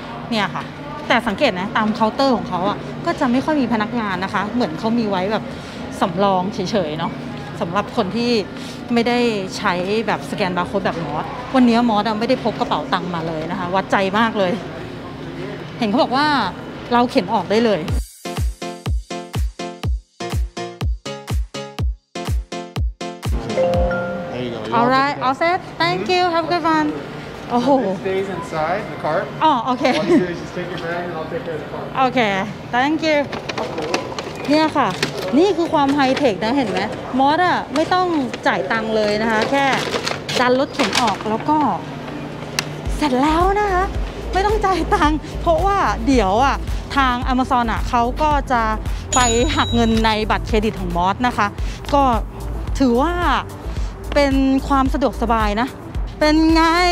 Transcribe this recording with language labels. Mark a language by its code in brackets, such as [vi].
[th] เนี่ยค่ะแต่สังเกตนะตามเคาน์เตอร์ของเขาอ่ะก็จะไม่ค่อยมีพนักงานนะคะเหมือนเขามีไว้แบบสำรองเฉยๆเนาะสำหรับคนที่ไม่ได้ใช้แบบสแกนบาร์โค้ดแบบมอสวันนี้มอสไม่ได้พกกระเป๋าตังค์มาเลยนะคะวัดใจมากเลยเห็นเขาบอกว่าเราเข็นออกได้เลย [en] Alright, all set. Thank you. Have a good fun. Oh. Stays inside the cart. Oh, okay. Just take your bag and I'll take care of the cart. Okay. Thank you. [th] เนี่ยค่ะนี่คือความไฮเทคนะเห็นไหมมอสอ่ะไม่ต้องจ่ายตังค์เลยนะคะแค่ดันรถเข็นออกแล้วก็เสร็จแล้วนะคะไม่ต้องจ่ายตังค์เพราะว่าเดี๋ยวอ่ะทาง Amazon อ่ะเขาก็จะไปหักเงินในบัตรเครดิตของมอสนะคะก็ถือว่าเป็นความสะดวกสบายนะเป็นไง